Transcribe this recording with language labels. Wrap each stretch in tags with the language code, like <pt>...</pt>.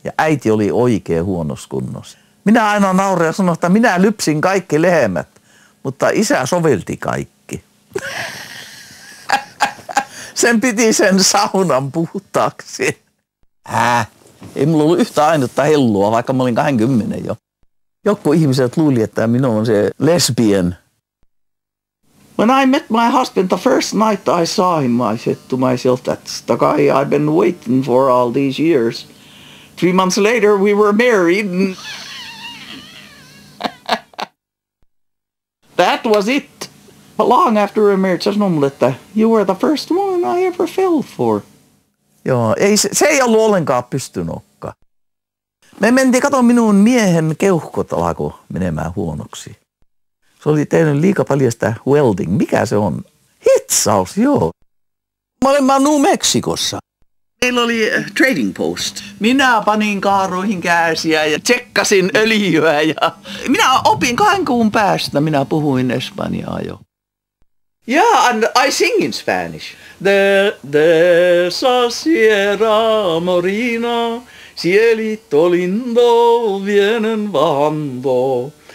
<fi>Ja äiti oli oikein huonossa kunnossa. Minä aina nauroin ja sanoin, että minä lypsin kaikki lehmät, mutta isä sovelti kaikki. Sen piti sen saunan puhtaaksi. Häh? Ei mulla ollut yhtä ainutta hellua, vaikka mä olin 20 jo. Joku ihmiset luuli, että minun on se lesbian.</fi> <en>When I met my husband, the first night I saw him, I said to myself, that's the guy I've been waiting for all these years. 3 months later, we were married. And... that was it. But long after we were married,</en> <fi>se sanoi mulle, että</fi> <en>you were the first woman I ever fell for.</en> <fi>Joo, ei, se ei ollut ollenkaan pystynokka. Me mentiin katsomaan minun miehen keuhkot alako menemään huonoksi. Se oli tehnyt liika paljon sitä welding. Mikä se on? Hitsaus, joo. Mä olin vaan New Mexicossa. Meillä oli trading post. Minä panin kaaroihin kääsiä ja tsekkasin öljyä. Ja minä opin 2 kuun päästä. Minä puhuin espanjaa jo.</fi> <en>Yeah, and I sing in Spanish.</en> <es>De esa sierra morina, cielito lindo vienen bajando.</es>